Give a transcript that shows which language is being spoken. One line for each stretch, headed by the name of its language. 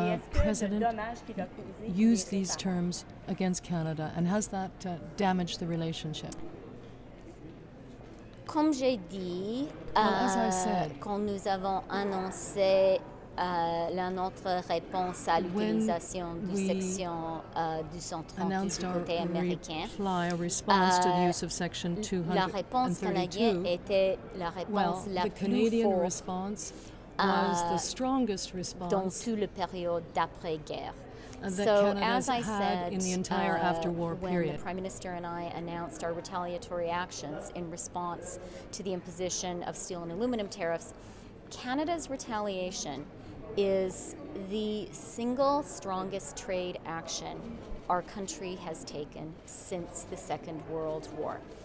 English: President use these terms against Canada, and has that damaged the relationship?
French: Comme j'ai dit, quand nous avons annoncé la notre réponse à l'utilisation du section 230 du côté américain, la réponse canadienne était la réponse la plus forte dans toute la période d'après-guerre.
English: So, as I said, when the Prime Minister and I announced our retaliatory actions in response to the imposition of steel and aluminum tariffs, Canada's retaliation is the single strongest trade action our country has taken since the Second World War.